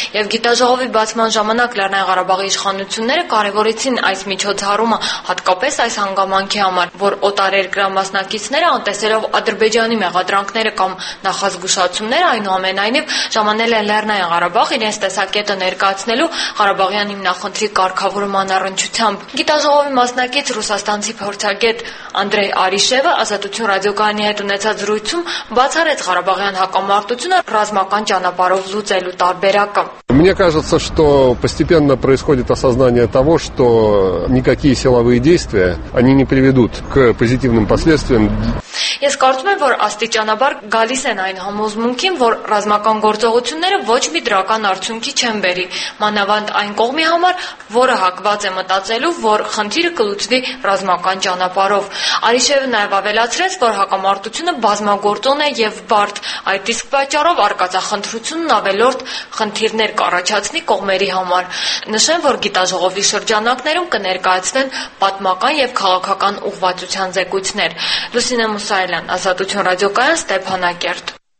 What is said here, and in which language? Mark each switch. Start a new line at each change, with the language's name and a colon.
Armenian: եւ դիտաժողովի բացման ժամանակ Լեռնային Ղարաբաղի իշխանությունները կարևորեցին այս միջոցառումը հատկապես այս հանգամանքի համար, որ օտարերկրյա մասնակիցները, անտեսելով Ադրբեջանի մեղադրանքները կամ նախազգուշացումները, այնուամենայնիվ ժամանել են Լեռնային Ղարաբաղ իրենց տեսակետը ներկայացնելու Ղարաբաղյան հիմնախնդրի կարգավորման առնչությամբ։ Գիտաժողովի մասնակից ռուսաստանցի փորձագետ Անդրեյ Արիշևը Ազատություն ռադիոկայանի հետ ունեցած զրույցում բացառեց Ղարաբաղյան հակամարտությունը ռազմական ճանապարհով լուծելու տարբերակը։
Russian: Мне кажется, что постепенно происходит осознание того, что никакие силовые действия, они не приведут к позитивным последствиям.
Armenian: Ես կարծում եմ, որ աստիճանաբար գալիս են այն համոզմունքին, որ ռազմական գործողությունները ոչ մի դրական արդյունքի չեն բերի, մանավանդ այն կողմի համար, որը հակված է մտածելու, որ խնդիրը կլուծվի ռազմական ճանապարհով։ Արիշևը նաև ավելացրեց, որ հակամարտությունը բազմագործոն է եւ բարդ, այդ իսկ պատճառով արկածախնդրությունն ավելորդ խնդիրներ կառաջացնի կողմերի համար։ Նշեմ, որ գիտաժողովի շրջանակներում կներկայացնեն պատմական եւ քաղաքական ուղղվածության զեկույցներ։ Լուսինե Սայլան, Ազատություն ռադիոկայան, Ստեփանակերտ։